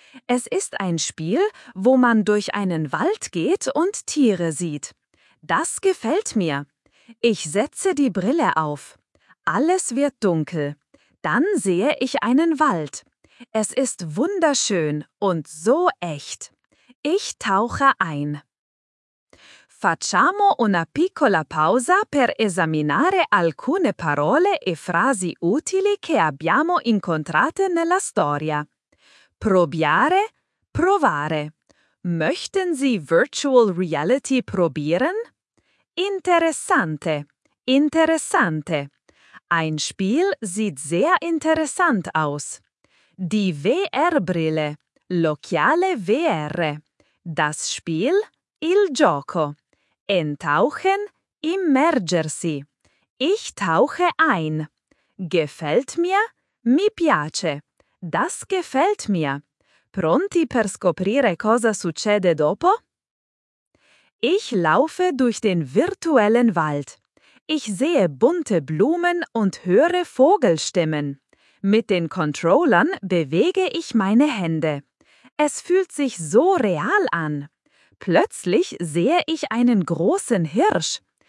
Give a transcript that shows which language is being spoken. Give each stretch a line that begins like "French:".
German: Es ist ein Spiel, wo man durch einen Wald geht und Tiere sieht. Das gefällt mir. Ich setze die Brille auf. Alles wird dunkel. Dann sehe ich einen Wald. Es ist wunderschön und so echt. Ich tauche ein.
Italian: Facciamo una piccola pausa per esaminare alcune parole e frasi utili che abbiamo incontrate nella storia. Probiare, provare.
German: Möchten Sie Virtual Reality probieren?
Italian: Interessante, interessante.
German: Ein Spiel sieht sehr interessant aus. Die VR-Brille,
Italian: l'occhiale VR.
German: Das Spiel,
Italian: il gioco.
German: Entauchen,
Italian: immergersi.
German: Ich tauche ein. Gefällt mir,
Italian: mi piace.
German: Das gefällt mir.
Italian: Pronti per scoprire cosa succede dopo?
German: Ich laufe durch den virtuellen Wald. Ich sehe bunte Blumen und höre Vogelstimmen. Mit den Controllern bewege ich meine Hände. Es fühlt sich so real an. Plötzlich sehe ich einen großen Hirsch.